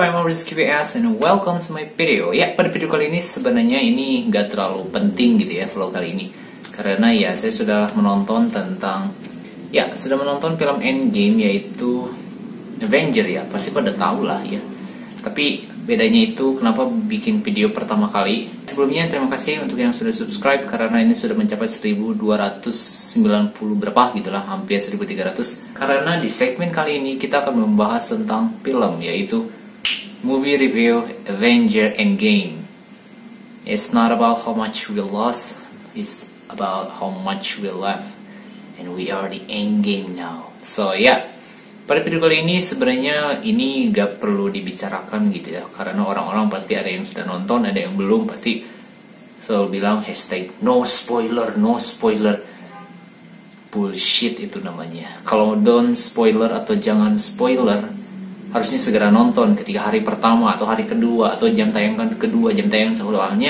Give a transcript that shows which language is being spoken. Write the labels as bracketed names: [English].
[English] I'm Maurice QBS and welcome to my video. [Indonesian] Ya, pada video kali ini sebenarnya ini gak terlalu penting gitu ya vlog kali ini. Karena ya saya sudah menonton tentang film Endgame yaitu Avenger ya. Pasti pada tahu lah ya. Tapi bedanya itu kenapa bikin video pertama kali. Sebelumnya terima kasih untuk yang sudah subscribe karena ini sudah mencapai 1290 berapa gitu lah, hampir 1300. Karena di segmen kali ini kita akan membahas tentang film yaitu movie review Avenger Endgame. [English] It's not about how much we lost, it's about how much we left, and we are the Endgame now. [Indonesian] So yeah, pada video kali ini sebenarnya ini gak perlu dibicarakan gitu ya, karena orang-orang pasti ada yang sudah nonton, ada yang belum, pasti selalu bilang hashtag no spoiler, no spoiler. Bullshit itu namanya. Kalau don't spoiler atau jangan spoiler, harusnya segera nonton ketika hari pertama atau hari kedua atau jam tayangan kedua, jam tayangan seolahnya.